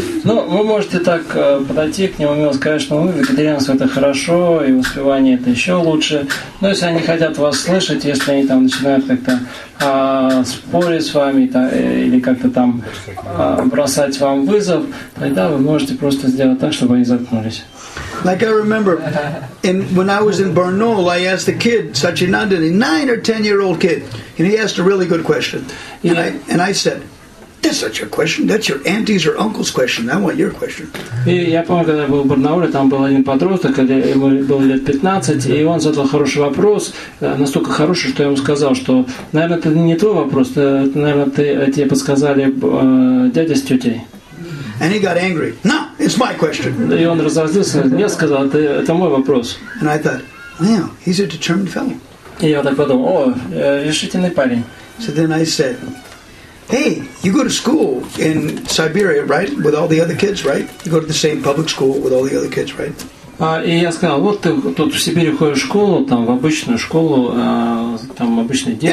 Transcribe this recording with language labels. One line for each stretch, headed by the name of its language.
Russian: Ну, вы можете так подойти к нему и сказать, что мы вегетарианство это хорошо, и воспевание это еще лучше. Но если они хотят вас слышать, если они там начинают как-то спорить с вами там, или как-то там бросать вам вызов, тогда вы можете просто сделать так, чтобы они заткнулись.
English: Like I remember, when I was in Barnaul, I asked a kid, Sachinandani, 9 or 10-year-old kid, and he asked a really good question. And I said, that's not your question, that's your auntie's or uncle's question, I want your question.
Russian: И я помню, когда я был в Барнауле, там был один подросток, когда ему было лет 15, и он задал хороший вопрос, настолько хороший, что я ему сказал, что, наверное, это не твой вопрос, это, наверное, тебе подсказали дядя с тетей.
English: And he got angry. No, it's my question.
Russian: И он разозлился. Я сказал, это мой вопрос.
English: And I thought, well, he's a determined fellow.
Russian: И я так подумал, о, решительный парень.
English: So then I said, hey, you go to school in Siberia, right? With all the other kids, right? You go to the same public school with all the other kids, right?
Russian: И я сказал, вот ты тут в Сибири ходишь в школу, там в обычную школу, там обычные дети.